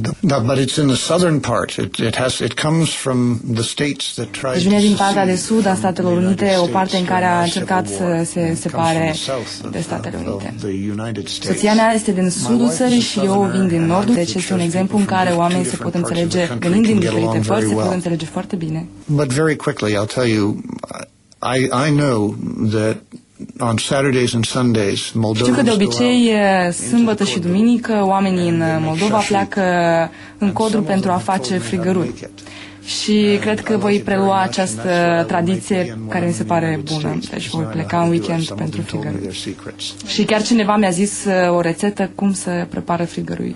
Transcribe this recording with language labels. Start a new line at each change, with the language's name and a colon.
Romanian: Da,
English: but it's in the southern part. It comes from the states that tried.
Romanian: Vine din partea de sud a Statelor Unite, o parte în care a încercat să se separe de Statele Unite. Soția mea este din sudul țării și eu vin din nord, deci este un exemplu în care oamenii se pot înțelege, venind din diferite părți, se pot înțelege foarte bine.
English: But very quickly, I'll tell you, I know that on Saturdays and Sundays, Moldovans.
Romanian: Știu că de obicei sâmbătă și duminică oamenii în Moldova pleacă în codru pentru a face frigăruri. Și cred că voi prelua această tradiție care mi se pare bună. Deci voi pleca în weekend pentru frigăruri. Și chiar cineva mi-a zis o rețetă cum să prepară frigărui.